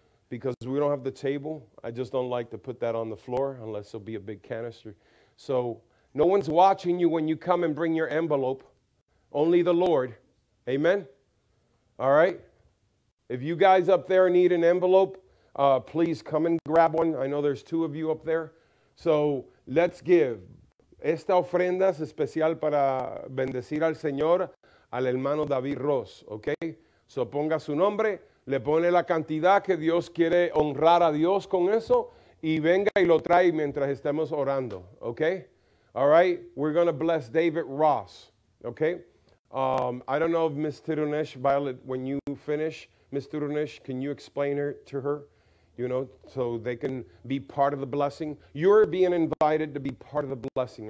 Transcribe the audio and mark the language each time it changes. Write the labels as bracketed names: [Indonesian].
[English] Because we don't have the table. I just don't like to put that on the floor unless it'll be a big canister. So no one's watching you when you come and bring your envelope. Only the Lord. Amen? All right? If you guys up there need an envelope, please come and grab one. I know there's two of you up there. So let's give. [Spanish] Esta ofrenda es especial para bendecir al Señor, al hermano David Ross. Okay? So ponga su nombre. Le pone la cantidad que Dios quiere honrar a Dios con eso. Y venga y lo trae mientras estemos orando. [English] Okay? All right, we're going to bless David Ross, okay? I don't know if Ms. Tirunesh, Violet, when you finish, Ms. Tirunesh, can you explain her to her, you know, so they can be part of the blessing? You're being invited to be part of the blessing.